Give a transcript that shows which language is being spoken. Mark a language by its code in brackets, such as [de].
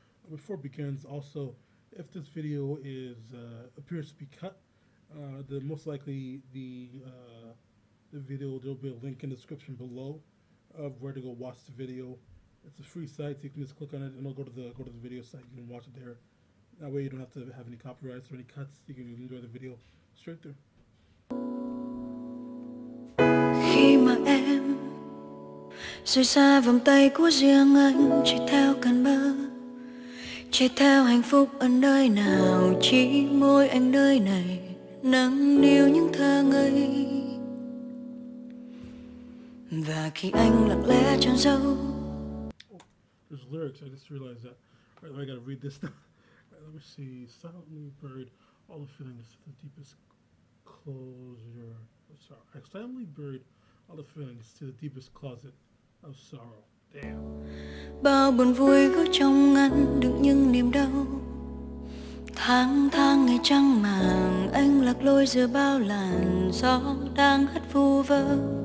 [en] Before it begins, also, if this video is appears to be cut, then most likely the video, there will be a link in the description below of where to go watch the video. It's a free site, so you can just click on it and it'll go to the video site. You can watch it there. That way you don't have to have any copyrights or any cuts. You can enjoy the video straight through. [vi] Khi mà em rời xa vòng tay của riêng anh, chỉ theo cơn mơ. Chạy theo hạnh phúc ở nơi nào, chỉ môi anh nơi này nâng niu những thơ ngây. Và khi anh lặng lẽ trong dấu. [en] There's lyrics, I just realized that. Alright, I gotta read this now. Right, let me see. Silently buried all the feelings to the deepest closure. Oh, sorry. I silently buried all the feelings to the deepest closet of sorrow. [vi] Bao buồn vui gói trong ngăn đựng những niềm đau. Tháng tháng ngày trăng màng, anh lạc lối giữa bao làn gió đang hát vu vơ.